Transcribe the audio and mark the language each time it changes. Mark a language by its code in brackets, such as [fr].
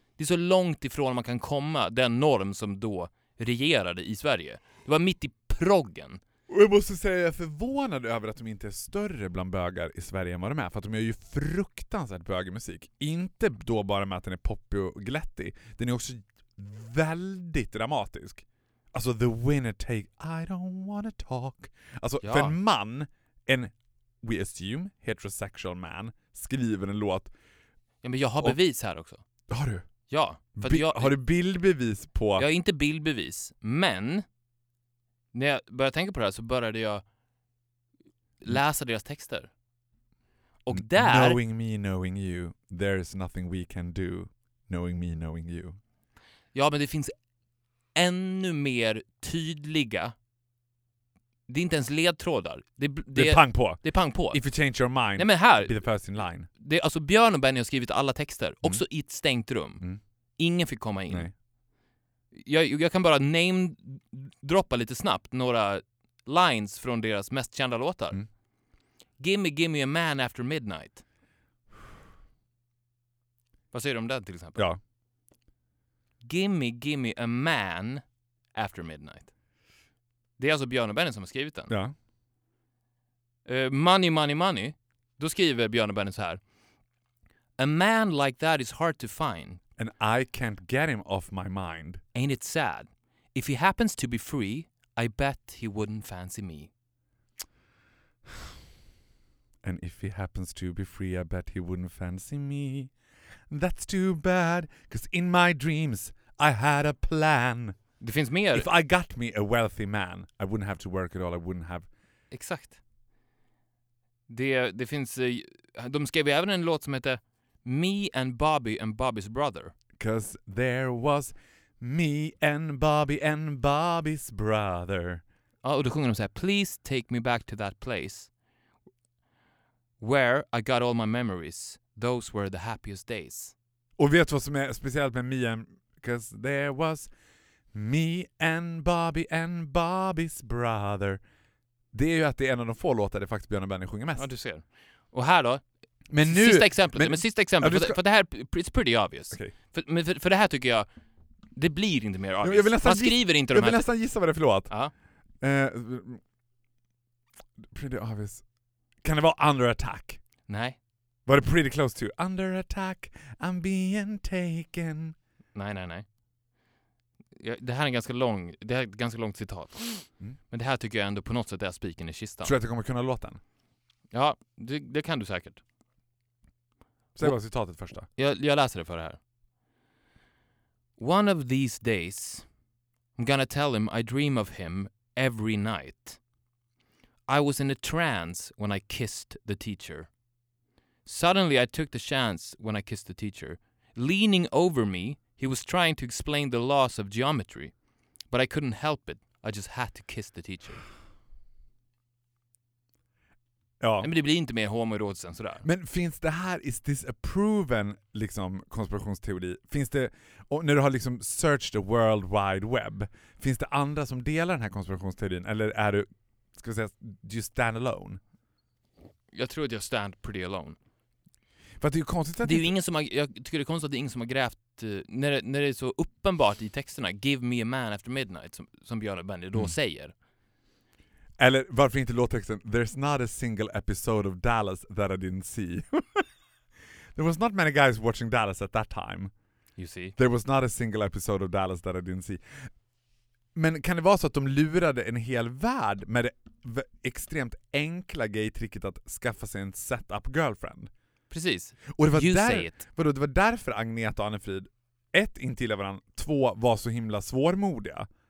[sv] Det är så långt ifrån man kan komma den norm som då regerade i Sverige. Det var mitt i proggen. Och jag måste säga att jag är förvånad över att de inte är större bland bögar i Sverige än vad de är. För att de gör ju fruktansvärt bögermusik. Inte då bara med att den är poppig och glättig. Den är också väldigt dramatisk. [en] Alltså, the winner take, I don't wanna talk. [sv] Alltså, ja. För en man, en, [en] we assume, heterosexual man, [sv] skriver en låt. Ja, men jag har bevis här också. Har du? Ja. För att har du bildbevis på? Jag har inte bildbevis, men när jag började tänka på det här så började jag läsa deras texter. Och där... [en] Knowing me, knowing you, there is nothing we can do, knowing me, knowing you. [sv] Ja, men det finns ännu mer tydliga. Det är inte ens ledtrådar. Det är pang på. Det är pang på. [en] If you change your mind. [sv] Nej, men här, [en] be the first in line. [sv] Det är, alltså, Björn och Benny har skrivit alla texter. Mm. Också i ett stängt rum. Mm. Ingen fick komma in. Nej. Jag kan bara name droppa lite snabbt några lines från deras mest kända låtar. Mm. [en] Gimme a man after midnight. [sv] Vad säger du om den till exempel? Ja. [en] Gimme a man after midnight. [sv] Det är alltså Björn och Benny som har skrivit den. Ja. [en] Money, money, money. [sv] Då skriver Björn och Benny så här. [en] A man like that is hard to find. And I can't get him off my mind. Ain't it sad? If he happens to be free, I bet he wouldn't fancy me. And if he happens to be free, I bet he wouldn't fancy me. That's too bad, 'cause in my dreams I had a plan. [sv] Det finns mer. [en] If I got me a wealthy man, I wouldn't have to work at all. I wouldn't have... [sv] Exakt. Det finns... De skrev även en låt som heter Me and Bobby and Bobby's brother. [en] 'Cause there was me and Bobby's brother. [sv] Ja, och då sjunger de så här. [en] Please take me back to that place where I got all my memories. Those were the happiest days. [sv] Och vet du vad som är speciellt med Me and... [en] 'Cause there was... Me and Bobby's brother. [sv] Det är ju att det är en av de få låtar det faktiskt Björn och Benny sjunger mest. Ja, du ser. Och här då. Men nu, sista exemplet. Men sista exemplet. Ja, för det här, [en] it's pretty obvious. Okay. [sv] För det här tycker jag, det blir inte mer obvious. Jag vill nästan, man skriver inte jag de här. Jag vill nästan gissa vad det är för låt. Uh-huh. [en] Pretty obvious. [sv] Kan det vara Under Attack? Nej. Var det [en] pretty close to? Under Attack, I'm being taken. [sv] Nej. Det här är ganska lång, det är ett ganska långt citat. Mm. Men det här tycker jag ändå på något sätt är spiken i kistan. Tror du att du kommer kunna låta den? Ja, det kan du säkert. Säg bara citatet första. Jag läser det för det här. [en] One of these days I'm gonna tell him I dream of him every night. I was in a trance when I kissed the teacher. Suddenly I took the chance when I kissed the teacher. Leaning over me, he was trying to explain the laws of geometry, but I couldn't help it. I just had to kiss the teacher. [sv] Ja. Nej, men det blir inte mer homoerotiskt än sådär. Men finns det här, [en] is this a proven [sv] liksom konspirationsteori? Finns det, när du har liksom [en] searched the world wide web, [sv] finns det andra som delar den här konspirationsteorin? Eller är du, ska vi säga, [en] do you stand alone? [sv] Jag tror att jag [en] stand pretty alone. [sv] För att det är ju konstigt att... Det är ju ingen som har, jag tycker det är konstigt att det är ingen som har grävt. När det är så uppenbart i texterna, [en] give me a man after midnight, [sv] som Björn och Benny då säger. Eller varför inte låttexten, [en] there's not a single episode of Dallas that I didn't see. There was not many guys watching Dallas at that time. You see. There was not a single episode of Dallas that I didn't see. [sv] Men kan det vara så att de lurade en hel värld med det extremt enkla gay-tricket att skaffa sig en setup girlfriend? Precis. Och det var, det var därför Agneta och Anne-Frid, ett, inte gillade varandra, två, var så himla svårmodiga.